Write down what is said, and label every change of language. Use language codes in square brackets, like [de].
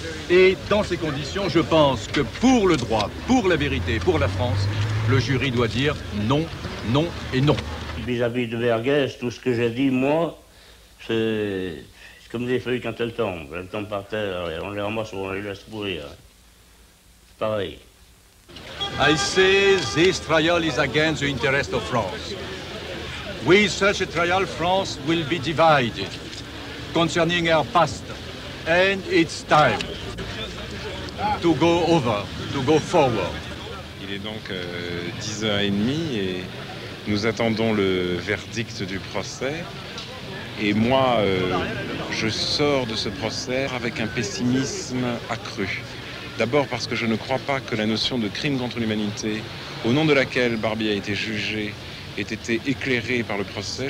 [fr] Et dans ces conditions, je pense que pour le droit, pour la vérité, pour la France, le jury doit dire non, non et non. Vis-à-vis de Vergès, tout ce que j'ai dit, moi, c'est comme des feuilles quand elles tombent. Elles tombent par terre et on les ramasse ou on les laisse pourrir. Pareil. [en] I say this trial is against the interest of France. With such a trial, France will be divided concerning her past. And it's time to go over, to go forward. [fr] Il est donc 10h30 et... Nous attendons le verdict du procès et moi, je sors de ce procès avec un pessimisme accru. D'abord parce que je ne crois pas que la notion de crime contre l'humanité, au nom de laquelle Barbie a été jugée, ait été éclairée par le procès.